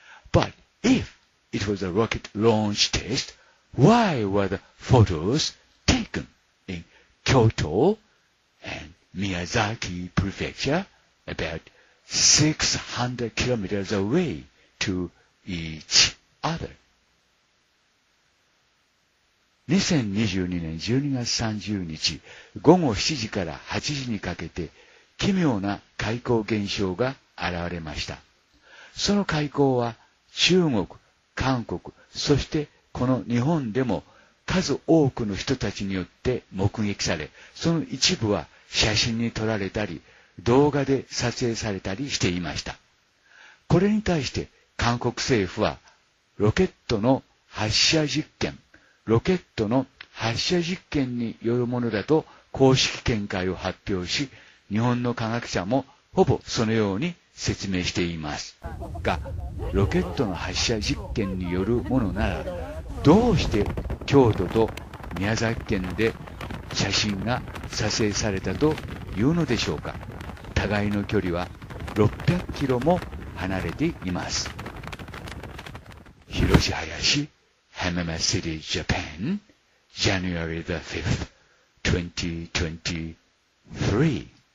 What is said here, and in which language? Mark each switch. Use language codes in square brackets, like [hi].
[en] But if it was a rocket launch test, why were the photos taken in Kyoto and Miyazaki Prefecture about 600 kilometers away? to each other. [ja] 2022年12月30日午後7時から8時にかけて奇妙な海溝現象が現れました。その海溝は中国、韓国、そしてこの日本でも数多くの人たちによって目撃され、その一部は写真に撮られたり動画で撮影されたりしていました。これに対して韓国政府は、ロケットの発射実験によるものだと公式見解を発表し、日本の科学者もほぼそのように説明しています。が、ロケットの発射実験によるものなら、どうして京都と宮崎県で写真が撮影されたというのでしょうか。互いの距離は600キロも離れています。 [en] Hiroshi Hayashi, Hamama City, Japan, January the 5th, 2023.